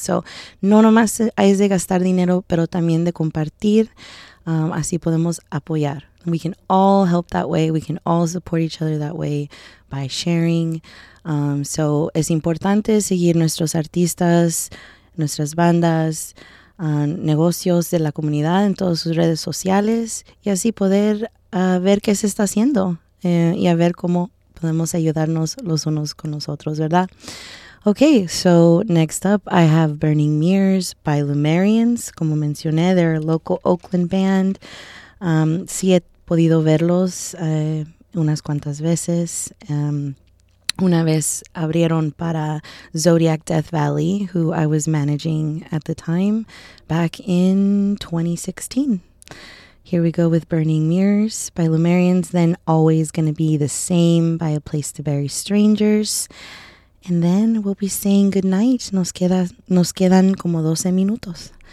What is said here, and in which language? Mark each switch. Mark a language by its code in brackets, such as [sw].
[es] So, no nomás es de gastar dinero, pero también de compartir. Así podemos apoyar. [en] We can all help that way. We can all support each other that way by sharing. [es] So es importante seguir nuestros artistas, nuestras bandas, negocios de la comunidad en todas sus redes sociales y así poder ver qué se está haciendo y a ver cómo podemos ayudarnos los unos con los otros, ¿verdad? [en] Okay, so next up I have Burning Mirrors by Lumerians. [es] Como mencioné, [en] they're a local Oakland band. [es] Sí he podido verlos unas cuantas veces. Una vez abrieron para [en] Zodiac Death Valley, who I was managing at the time, back in 2016. Here we go with Burning Mirrors by Lumerians, then Always Gonna Be the Same by A Place to Bury Strangers. And then we'll be saying goodnight. [es] Nos quedan como 12 minutos.